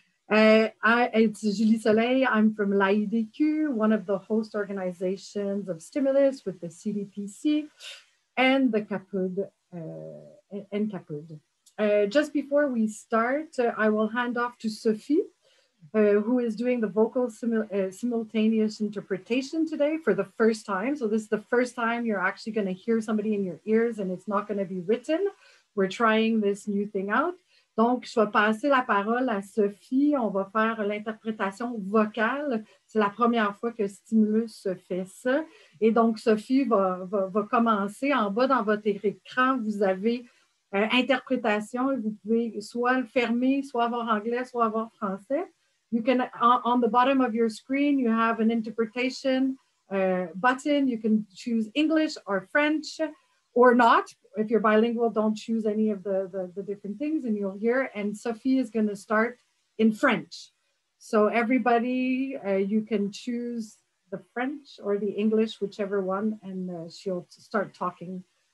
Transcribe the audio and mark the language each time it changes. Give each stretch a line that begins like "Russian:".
English: It's Julie Soleil, I'm from l'AIDQ, one of the host organizations of Stimulus with the CDPC and the CAPUD. Just before we start, I will hand off to Sophie, who is doing the vocal simultaneous interpretation today for the first time. So this is the first time you're actually gonna hear somebody in your ears and it's not gonna be written. We're trying this new thing out.
French: Donc, je vais passer la parole à Sophie. On va faire l'interprétation vocale. C'est la première fois que Stimulus fait ça. Et donc, Sophie va commencer. En bas dans votre écran, vous avez interprétation. Vous pouvez soit le fermer, soit avoir anglais, soit avoir français.
English: You can, on the bottom of your screen, you have an interpretation button. You can choose English or French or not. If you're bilingual, don't choose any of the different things and you'll hear. And Sophie is going to start in French. So everybody, you can choose the French or the English, whichever one, and she'll start talking.